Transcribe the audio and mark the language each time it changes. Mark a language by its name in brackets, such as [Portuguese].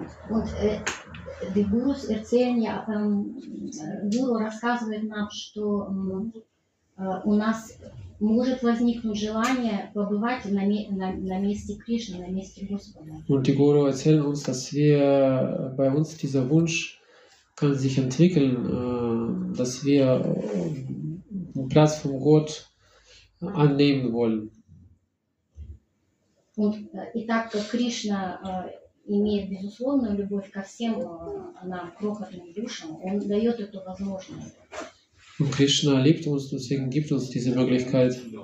[German] Und die Gurus erzählen ja, [Russian] Guru рассказывает нам, что у нас может возникнуть желание побывать на месте Кришны, на месте Господа. [German] Und die Guru erzählen uns, dass wir bei uns dieser Wunsch kann sich entwickeln, dass wir Platz vom Gott annehmen wollen. Und [Russian] и так как Кришна имеет безусловную любовь ко всем нам крохотным душам, он дает эту возможность. [German] Und Krishna liebt uns, deswegen gibt uns diese Möglichkeit.